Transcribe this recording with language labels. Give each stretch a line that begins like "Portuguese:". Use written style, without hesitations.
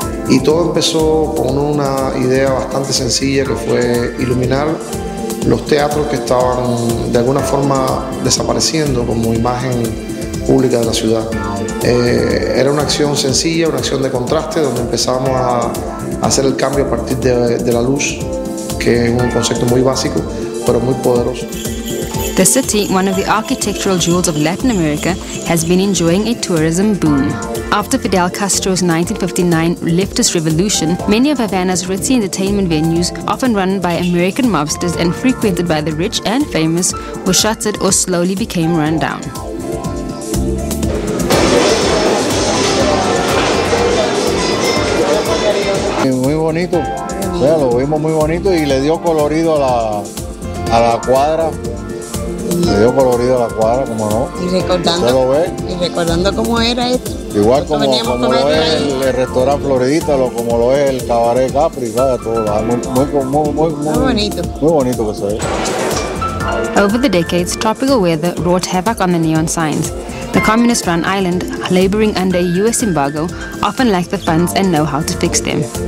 Spanish: Y todo empezó con una idea bastante sencilla, que fue iluminar los teatros que estaban de alguna forma desapareciendo como imagen pública de la ciudad. Era una acción sencilla, una acción de contraste, donde empezamos a hacer el cambio a partir de la luz, que es un concepto muy básico, pero muy poderoso.
English: The city, one of the architectural jewels of Latin America, has been enjoying a tourism boom. After Fidel Castro's 1959 leftist revolution, many of Havana's ritzy entertainment venues, often run by American mobsters and frequented by the rich and famous, were shuttered or slowly became run down.
Spanish: Muy bonito, vea, lo vimos muy bonito y le dio colorido a la cuadra. Le dio colorido a la cuadra, como no. Y recordando cómo era esto. Igual como lo es el restaurante Floridita, como lo es el cabaret Capri, ¿sabes? Todo, muy bonito. Muy bonito que se ve.
English: Over the decades, tropical weather wrought havoc on the neon signs. The communist-run island, laboring under a U.S. embargo, often lacked the funds and know-how to fix them.